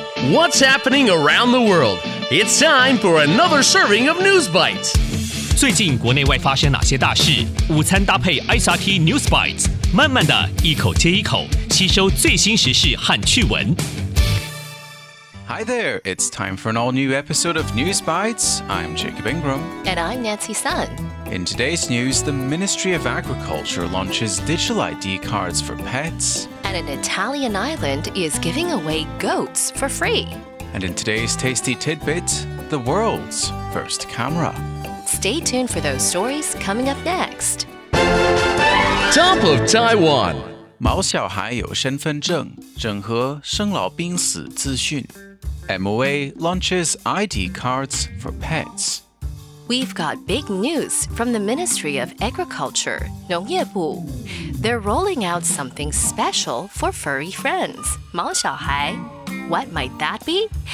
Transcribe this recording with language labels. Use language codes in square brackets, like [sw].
[en] What's happening around the world? It's time for another serving of News Bites. [zh] 最近国内外发生哪些大事？午餐搭配 SRT News Bites， 慢慢的一口接一口，吸收最新时事和趣闻。 [en] Hi there, it's time for an all-new episode of News Bites. I'm Jacob Ingram. And I'm Nancy Sun. In today's news, the Ministry of Agriculture launches digital ID cards for pets. And an Italian island is giving away goats for free. And in today's tasty tidbit, the world's first camera. Stay tuned for those stories coming up next. Top of Taiwan. [zh] 毛小孩有身份证，整合生老病死资讯。 [en] MOA launches ID cards for pets. We've got big news from the Ministry of Agriculture, 农业部. They're rolling out something special for furry friends, 毛小孩. What might that be?